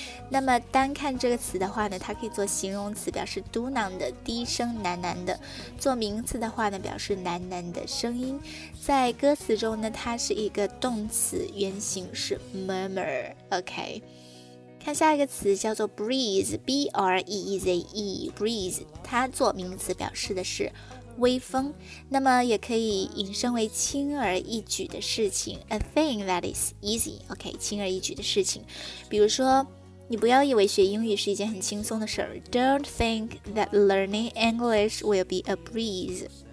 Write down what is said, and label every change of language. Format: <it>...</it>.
<zh>那么单看这个词的话呢，它可以做形容词，表示嘟囔的，低声喃喃的。做名词的话呢，表示喃喃的声音。在歌词中呢，它是一个动词，原型是 murmur。 OK， 看下一个词叫做 breeze， B-R-E-E-Z-E， breeze。它做名词表示的是微风，那么也可以引申为轻而易举的事情，</zh> <en>a thing that is easy，</en> <zh>OK， 轻而易举的事情。比如说，你不要以为学英语是一件很轻松的事儿，</zh> <en>don't think that learning English will be a breeze。</en>